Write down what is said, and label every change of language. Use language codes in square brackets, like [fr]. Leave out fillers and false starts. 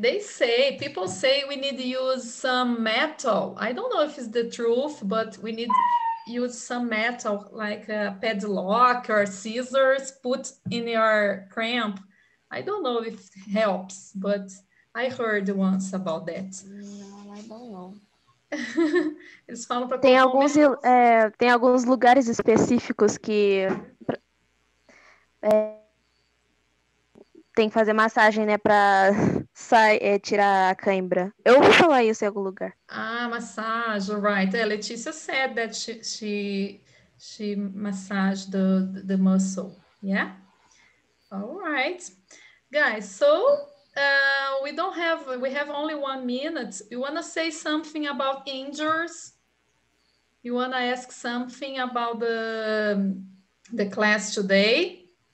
[en] They say, people say we need to use some metal. I don't know if it's the truth, but we need to use some metal, like a padlock or scissors, put in your cramp. I don't know if it helps, but I heard once about that. [pt] Não, [en] I don't know. [pt] Eles falam para tem alguns, tem alguns lugares específicos que tem que fazer massagem, né, para sair, tirar a cãibra. Eu vou falar isso em algum lugar. Ah, massagem, [en] right. Yeah, Letícia said that she massaged the muscle, yeah? All right. Guys, so we have only 1 minute. You want to say something about injuries? You want to ask something about the class today?